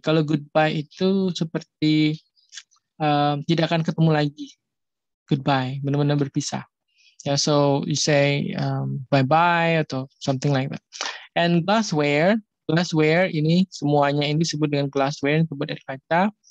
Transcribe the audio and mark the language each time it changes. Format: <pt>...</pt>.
<id>Kalau goodbye itu seperti tidak akan ketemu lagi. Goodbye, benar-benar berpisah.</id> <en>Yeah, so you say bye-bye atau something like that.</en> <id>And glassware, glassware ini semuanya ini disebut dengan glassware, terbuat dari kaca.</id>